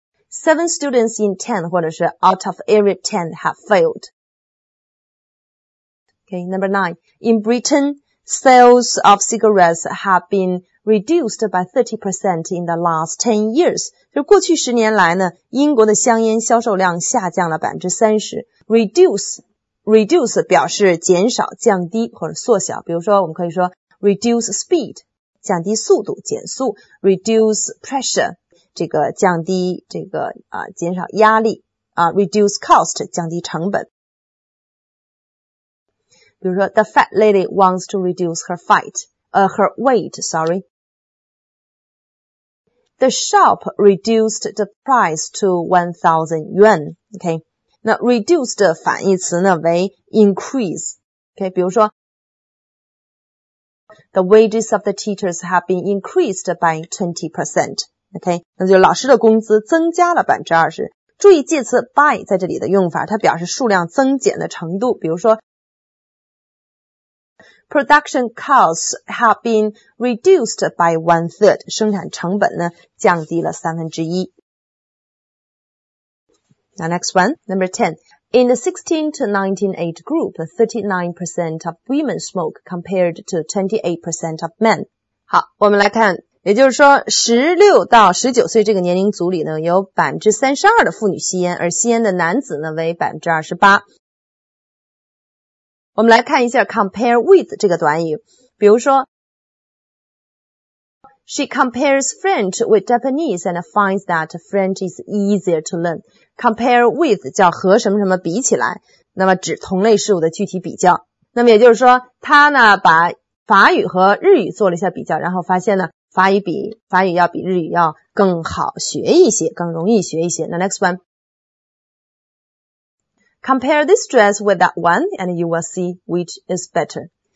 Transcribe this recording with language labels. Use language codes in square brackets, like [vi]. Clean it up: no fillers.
[en] 7 students in 10 [zh] 或者是 [en] out of every 10 have failed. Okay, number 9. In Britain, sales of cigarettes have been reduced by 30% in the last 10 years. [zh] 就过去10年来呢，英国的香烟销售量下降了 30%。 Reduce 表示减少、降低或者缩小。比如说我们可以说 [en] reduce speed, [zh] 降低速度、减速。 [en] Reduce pressure, [zh] 这个降低这个啊减少压力啊 [en] reduce cost [zh] 降低成本。比如说 [en] the fat lady wants to reduce her weight. The shop reduced the price to 1,000 yuan. [zh] Okay, 那 reduce 的反义词呢为 increase. [en] Okay, [zh] 比如说 [en] the wages of the teachers have been increased by 20%. [zh] OK, 那就老师的工资增加了 20%。注意介词 by 在这里的用法，它表示数量增减的程度。 [en] 比如说 Production costs have been reduced by 1/3, [zh] 生产成本呢降低了三分之一。 [en] Now next one, number 10. In the 16 to 19 age group, 39% of women smoke compared to 28% of men. [zh] 好，我们来看，也就是说16到19岁这个年龄组里呢有 32% 的妇女吸烟，而吸烟的男子呢为 28%。 [en] 我们来看一下 compare with 这个短语， [zh] 比如说 [en] She compares French with Japanese and finds that French is easier to learn. [zh] Compare with 叫和什么什么比起来，那么指同类事物的具体比较。那么也就是说他呢把法语和日语做了一下比较，然后发现呢法语要比日语要更好学一些，更容易学一些。那 [en] next one. Compare this dress with that one and you will see which is better.